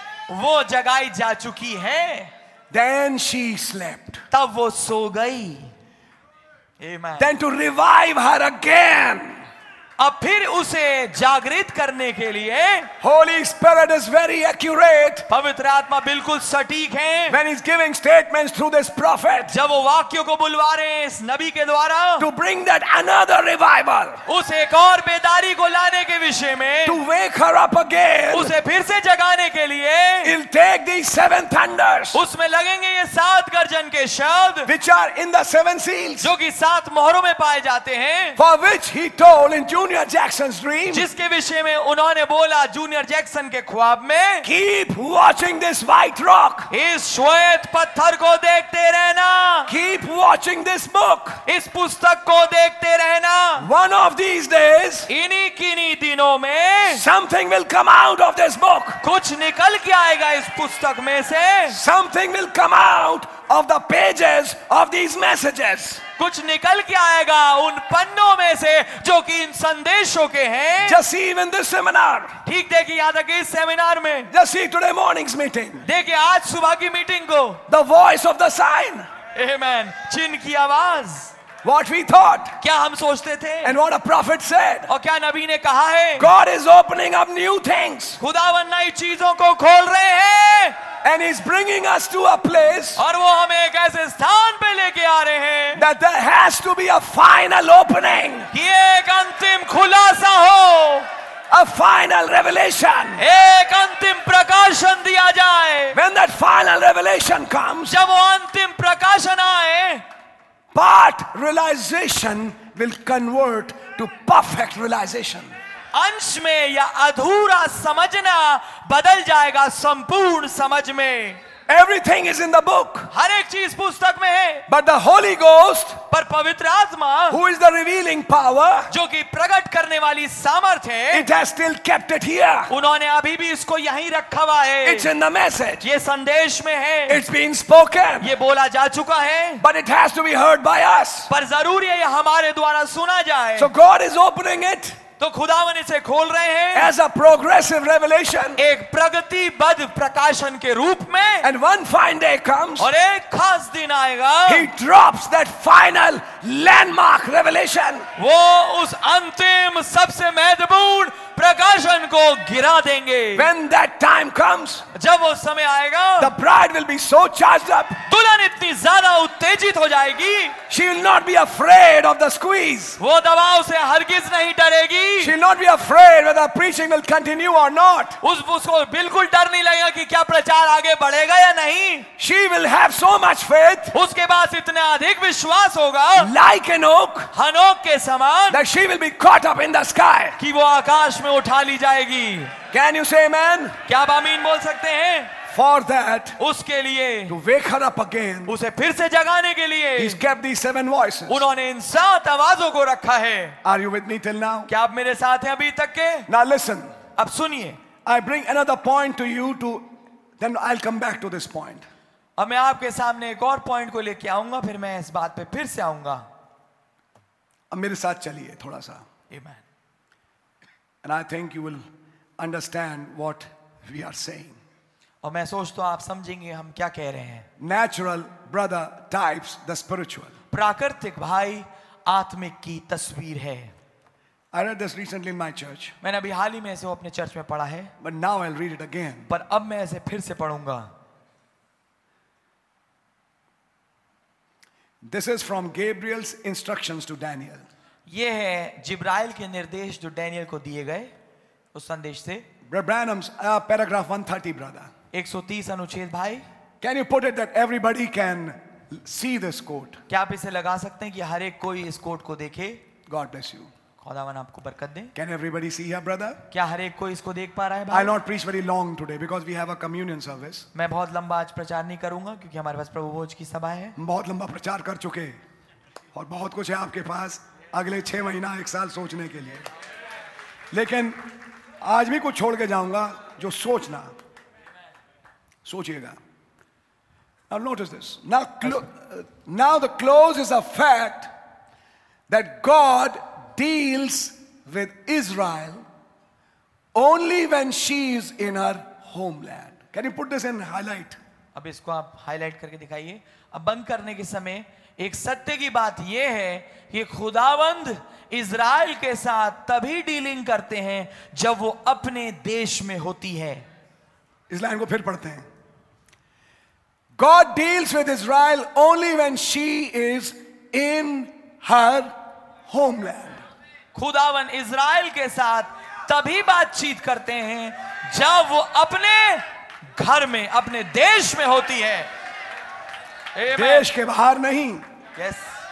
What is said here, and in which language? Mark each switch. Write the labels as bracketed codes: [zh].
[hi] वो जगाई जा चुकी है. [en] Then she slept. [hi] तब वो सो गई. Amen. [en] Then to revive her again. [hi] अब फिर उसे जागृत करने के लिए [en] Holy Spirit is very accurate. [hi] पवित्र आत्मा बिल्कुल सटीक है. [en] When he's giving statements through this prophet. [hi] जब वो वाक्यों को बुलवा रहे हैं इस नबी के द्वारा. [en] To bring that another revival. [hi] उस एक और बेदारी को लाने के विषय में. [en] To wake her up again. [hi] उसे फिर से जगाने के लिए. [en] He'll take the seven thunders. [hi] उसमें लगेंगे ये सात गर्जन के शब्द. [en] Which are in the seven seals. [hi] जो कि सात मोहरों में पाए जाते हैं. [en] For which he told in Junior Jackson's dream. [hi] जिसके विषय में उन्होंने बोला जूनियर जैक्सन के ख्वाब में. [en] Keep watching this white rock. [hi] इस श्वेत पत्थर को देखते रहना. [en] Keep watching this book. [hi] इस पुस्तक को देखते रहना. [en] One of these days. [hi] इन्हीं किन्हीं दिनों में. [en] Something will come out of this book. [hi] कुछ निकल के आएगा इस पुस्तक में से. [en] Something will come out of the pages of these messages. [hi] कुछ निकल के आएगा उन पन्नों में से जो कि इन संदेशों के हैं. [en] Just see even this seminar. [hi] ठीक देखिए याद रखिए इस सेमिनार में. [en] Just see today morning's meeting. [hi] देखिए आज सुबह की मीटिंग को. [en] The voice of the sign. [hi] Amen. चिन्ह की आवाज. [en] What we thought. [hi] क्या हम सोचते थे. [en] And what a prophet said. [hi] और क्या नबी ने कहा है. [en] God is opening up new things. [hi] खुदावन नई चीजों को खोल रहे हैं. [en] And he's bringing us to a place. [hi] और वो हमें एक ऐसे स्थान पे लेके आ रहे हैं. [en] That there has to be a final opening. [hi] कि एक अंतिम खुलासा हो. [en] A final revelation. [hi] एक अंतिम प्रकाशन दिया जाए. [en] When that final revelation comes. [hi] जब वो अंतिम प्रकाशन आए. [en] Part realization will convert to perfect realization. [hi] अंश में या अधूरा समझना बदल जाएगा संपूर्ण समझ में. [en] Everything is in the book. [hi] हर एक चीज पुस्तक में है. [en] But the Holy Ghost. [hi] पर पवित्र आत्मा. [en] Who is the revealing power? [hi] जो कि प्रकट करने वाली सामर्थ है. [en] It has still kept it here. [hi] उन्होंने अभी भी इसको यहीं रखा हुआ है. [en] It's in the message. [hi] ये संदेश में है. [en] It's been spoken. [hi] ये बोला जा चुका है. [en] But it has to be heard by us. [hi] पर जरूर ये हमारे द्वारा सुना जाए. [en] So God is opening it. [hi] तो खुदावन इसे खोल रहे हैं. [en] As a progressive revelation. [hi] एक प्रगतिबद्ध प्रकाशन के रूप में. [en] And one fine day comes. [hi] और एक खास दिन आएगा. [en] He drops that final landmark revelation. [hi] वो उस अंतिम सबसे महत्वपूर्ण प्रकाशन को गिरा देंगे. [en] When that time comes. [hi] जब वो समय आएगा. [en] The bride will be so charged up. [hi] दुल्हन इतनी ज्यादा उत्तेजित हो जाएगी. [en] She will not be afraid of the squeeze. [hi] वो दबाव से हरगिज नहीं डरेगी. [en] She will not be afraid whether preaching will continue or not. [hi] उसको बिल्कुल डर नहीं लगेगा कि क्या प्रचार आगे बढ़ेगा या नहीं. [en] She will have so much faith. [hi] उसके पास इतना अधिक विश्वास होगा. [en] Like Enoch. [hi] हनोक के समान. [en] That she will be caught up in the sky. [hi] कि वो आकाश में उठा ली जाएगी. [en] Can you say amen? [hi] क्या आमीन बोल सकते हैं? [en] For that, [hi] उसके लिए, [en] to wake her up again, [hi] उसे फिर से जगाने के लिए, [en] he's kept these seven voices. [hi] उन्होंने इन सात आवाजों को रखा है. [en] Are you with me till now? [hi] क्या आप मेरे साथ हैं अभी तक के? [en] Now listen. [hi] अब सुनिए. [en] I bring another point to you to, then I'll come back to this point. [hi] अब मैं आपके सामने एक और पॉइंट को लेके आऊंगा फिर मैं इस बात पे फिर से आऊंगा. अब मेरे साथ चलिए थोड़ा सा. [en] Amen. And I think you will understand what we are saying. [hi] और मैं सोचता हूँ आप समझेंगे हम क्या कह रहे हैं. [en] Natural brother types the spiritual. [hi] प्राकृतिक भाई आत्मिक की तस्वीर है. [en] I read this recently in my church. [hi] मैंने अभी हाल ही में इसे अपने चर्च में पढ़ा है. [en] But now I'll read it again. [hi] पर अब मैं इसे फिर से पढ़ूंगा. [en] This is from Gabriel's instructions to Daniel. [hi] ये है जिब्राइल के निर्देश जो डैनियल को दिए गए उस संदेश से. [en] Branham's paragraph 130, brother. [hi] 130 अनुच्छेद भाई. [en] Can you put it that everybody can see this quote? [hi] क्या आप इसे लगा सकते हैं कि हर एक कोई इस quote को देखे? [en] God bless you. [hi] खुदावन आपको बरकत दे. [en] Can everybody see here, brother? [hi] क्या हर एक कोई इसको देख पा रहा है भाई? [en] I'll not preach very long today because we have a communion service. [hi] मैं बहुत लंबा आज प्रचार नहीं करूंगा क्योंकि हमारे पास प्रभु भोज की सभा है. बहुत लंबा प्रचार कर चुके और बहुत कुछ है आपके पास अगले छह महीना एक साल सोचने के लिए. लेकिन आज भी कुछ छोड़ के जाऊंगा जो सोचना. सोचिएगा. [en] Now notice this. Now the close is a fact that God deals with Israel only when she is in her homeland. Can you put this in highlight? [hi] अब इसको आप highlight करके दिखाइए. अब बंद करने के समय एक सत्य की बात यह है कि खुदावंद इज़राइल के साथ तभी डीलिंग करते हैं जब वो अपने देश में होती है. इस लाइन को फिर पढ़ते हैं. [en] God deals with Israel only when she is in her homeland. [hi] खुदावन इज़राइल के साथ तभी बातचीत करते हैं जब वो अपने घर में, अपने देश में होती है. Amen. देश के बाहर नहीं. [en] Yes.